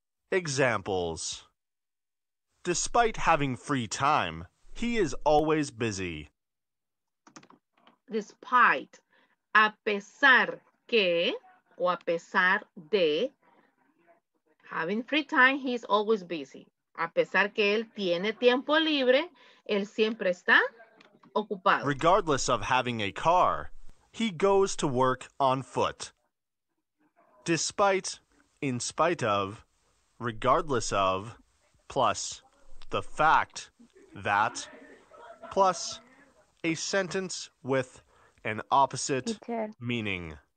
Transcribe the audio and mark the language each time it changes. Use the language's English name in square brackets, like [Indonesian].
[English] Examples. Despite having free time, he is always busy. Despite, [Spanish] a pesar que, o a pesar de, [English] having free time, he is always busy. [Spanish] A pesar que él tiene tiempo libre, él siempre está ocupado. [English] Regardless of having a car, he goes to work on foot. Despite, in spite of, regardless of, plus the fact that, plus a sentence with an opposite meaning.